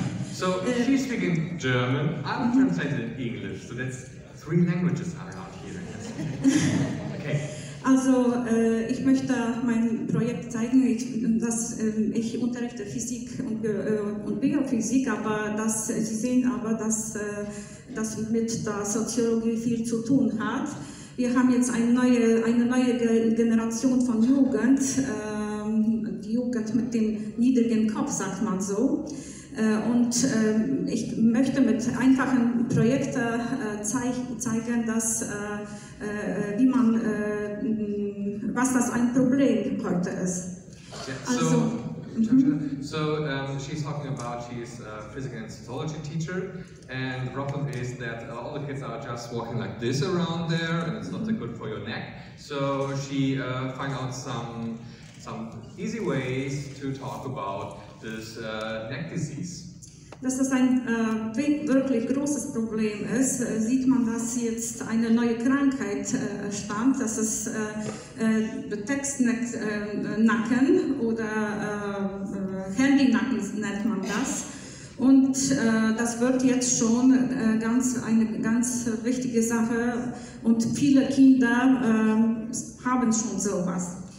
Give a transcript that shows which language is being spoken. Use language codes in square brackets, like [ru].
[en] So she's speaking German, I'm translating in English, so that's three languages I'm not hearing. Okay. [de] Also, ich möchte mein Projekt zeigen, ich unterrichte Physik und Biophysik, aber dass mit der Soziologie viel zu tun hat. Wir haben jetzt eine neue Generation von Jugend, die Jugend mit dem niedrigen Kopf, sagt man so. Und ich möchte mit einfachen Projekten zeigen, dass wie man was das ein Problem heute ist. [en] Yeah. Also, she's talking about she's a physics and sociology teacher, and the problem is that all the kids are just walking like this around there, and it's not that good for your neck. So she find out some easy ways to talk about this neck disease. [de] Dass das ein wirklich großes Problem ist, sieht man, dass jetzt eine neue Krankheit stammt, das ist Textnacken oder Handynacken nennt man das. Und das wird jetzt schon eine ganz wichtige Sache und viele Kinder haben schon sowas.